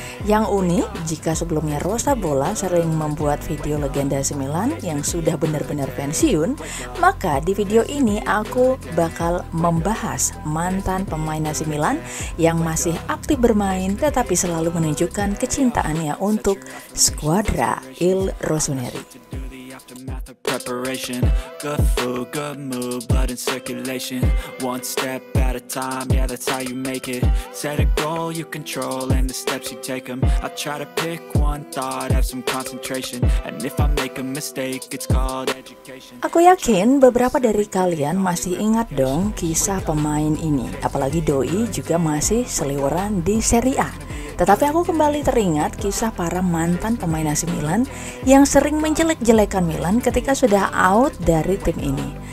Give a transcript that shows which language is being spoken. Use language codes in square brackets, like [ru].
[id] Yang unik, jika sebelumnya Rosa Bola sering membuat video legenda AC Milan yang sudah benar-benar pensiun, maka di video ini aku bakal membahas mantan pemain AC Milan yang masih aktif bermain tetapi selalu menunjukkan kecintaannya untuk skuad Padra Il Rossoneri. [en] Preparation, good food, good mood, blood in circulation. One step at a time, yeah, that's how you make it. Set a goal you control and the steps you take them. I try to pick one thought, have some concentration. And if I make a mistake, it's called education. [id] Aku yakin beberapa dari kalian masih ingat dong kisah pemain ini. Apalagi Doi juga masih seliweran di Serie A. Tetapi aku kembali teringat kisah para mantan pemain AC Milan yang sering menjelek-jelekan Milan ketika sudah out dari tim ini.